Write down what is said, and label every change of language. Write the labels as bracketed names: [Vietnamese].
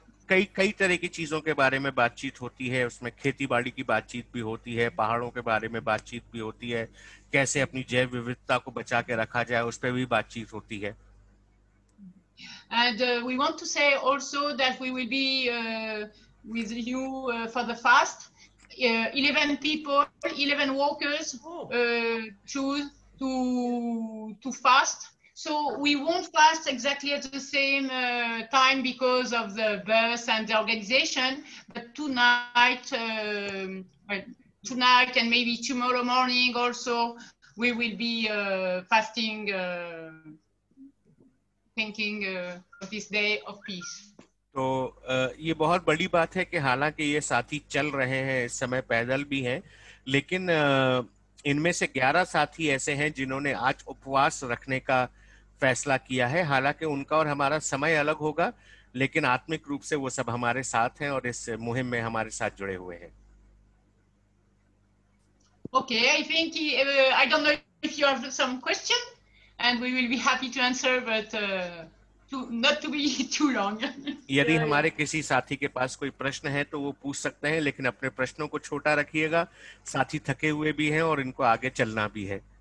[Hindi] कई तरह की चीजों के बारे में बातचीत होती है, उसमें खेती बाड़ी की बातचीत भी होती है, पहाड़ों के बारे में बातचीत भी होती है, कैसे अपनी जैव विविधता को बचा के रखा जाए उस पर भी बातचीत होती है. [English] And we want to say also that we will be with you for the fast. 11 people, 11 walkers choose to fast. So we won't fast exactly at the same time because of the bus and the organization, but tonight and maybe tomorrow morning also we will be fasting, thinking of this day of peace. [Hindi] तो ये बहुत बड़ी बात है कि हालांकि ये साथी चल रहे हैं, इस समय पैदल भी हैं, लेकिन इनमें से 11 साथी ऐसे हैं जिन्होंने आज उपवास रखने का फैसला किया है. हालांकि उनका और हमारा समय अलग होगा, लेकिन आत्मिक रूप से वो सब हमारे साथ हैं और इस मुहिम में हमारे साथ जुड़े हुए हैं. [English] Okay, I think I don't know if you have some question, and we will be happy to answer, but not to be too long. [Hindi] यदि हमारे किसी साथी के पास कोई प्रश्न है तो वो पूछ सकते हैं, लेकिन अपने प्रश्नों को छोटा रखिएगा. साथी थके हुए भी हैं और इनको आगे चलना भी है.